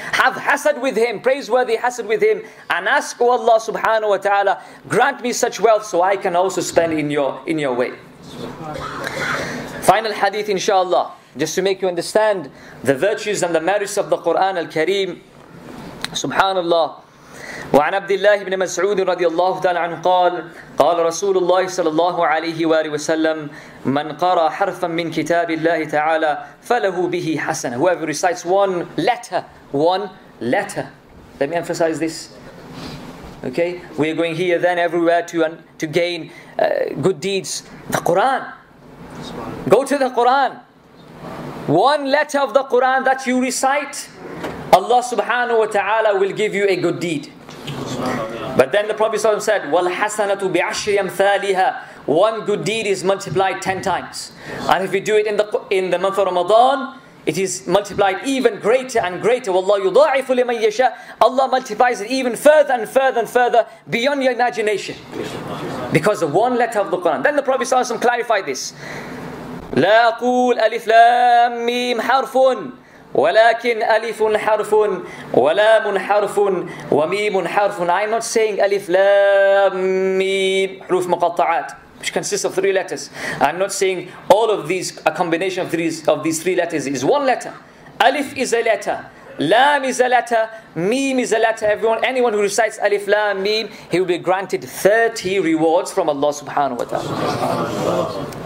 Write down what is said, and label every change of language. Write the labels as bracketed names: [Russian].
[English] Have hasad with him, praiseworthy hasad with him. And ask, oh Allah subhanahu wa ta'ala, grant me such wealth so I can also spend in your way. Final hadith, inshallah. Just to make you understand the virtues and the merits of the Quran al-Kareem. Subhanallah. [Arabic] وعن عبد الله بن مسعود رضي الله تعالى عنه قال قال رسول الله صلى الله عليه وآله وسلم من قرأ حرفا من كتاب الله تعالى فله به حسنة. [English] Whoever recites one letter, let me emphasize this. Okay, we are going here then everywhere to gain good deeds. The Quran. Go to the Quran. One letter of the Quran that you recite, Allah subhanahu wa ta'ala will give you a good deed. But then the Prophet ﷺ said, [Arabic] وَالْحَسَنَةُ بِعَشْرِ أَمْثَالِهَا. [English] One good deed is multiplied 10 times. And if you do it in the month of Ramadan, it is multiplied even greater and greater. [Arabic] وَاللَّهُ يُضَاعِفُ لِمَنْ يَشَاءُ. [English] Allah multiplies it even further and further and further beyond your imagination. Because of one letter of the Quran. Then the Prophet ﷺ clarified this. [Arabic] لَا أَقُولْ أَلِفْ لَامْ مِيمْ حَرْفٌ ولكن ألف حرف ولام حرف وميم حرف. [English] I'm not saying [Arabic] ألف لام ميم حروف مقطعات, [English] which consists of three letters. I'm not saying all of these, a combination of these three letters is one letter. ألف is a letter, لام is a letter, ميم is a letter. Anyone who recites ألف لام ميم, he will be granted 30 rewards from Allah subhanahu wa ta'ala.